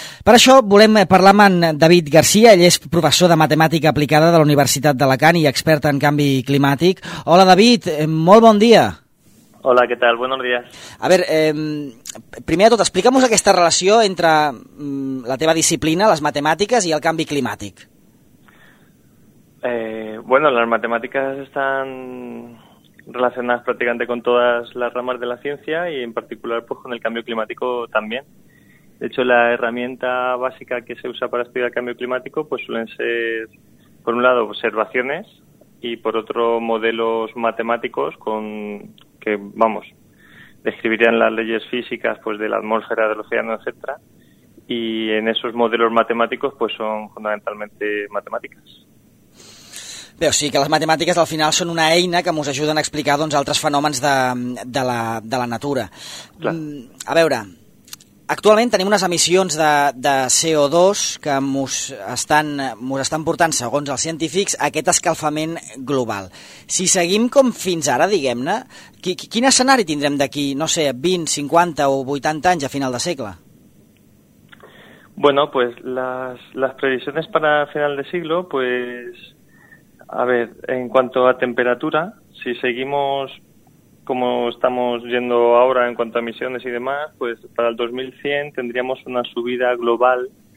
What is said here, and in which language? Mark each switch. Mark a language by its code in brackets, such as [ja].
[ca] Per això volem parlar amb en David García, ell és professor de matemàtica aplicada de la Universitat d'Alacant i expert en canvi climàtic. Hola David, molt bon dia. [es] Hola, ¿qué tal? Buenos días. [ca] A ver, primer de tot, explica'm aquesta relació entre la teva disciplina, les matemàtiques, i el canvi climàtic. [es] Bueno, las matemáticas están relacionadas prácticamente con todas las ramas de la ciencia y en particular pues con el cambio climático también. De hecho, la herramienta básica que se usa para estudiar el cambio climático pues suelen ser, por un lado, observaciones y por otro, modelos matemáticos con... que, vamos, describirían las leyes físicas pues de la atmósfera, del océano, etcétera, y en esos modelos matemáticos pues son fundamentalmente matemáticas. [ca] Bé, o sigui que les matemàtiques al final són una eina que ens ajuden a explicar doncs, altres fenòmens de la natura. Clar. A veure, actualment tenim unes emissions de CO2 que ens estan portant, segons els científics, aquest escalfament global. Si seguim com fins ara, diguem-ne, quin escenari tindrem d'aquí, no sé, 20, 50 o 80 anys a final de segle? [es] Bueno, pues las previsiones para final de siglo, pues, a ver, en cuanto a temperatura, si seguimos como estamos yendo ahora en cuanto a emisiones y demás, pues para el 2100 tendríamos una subida global.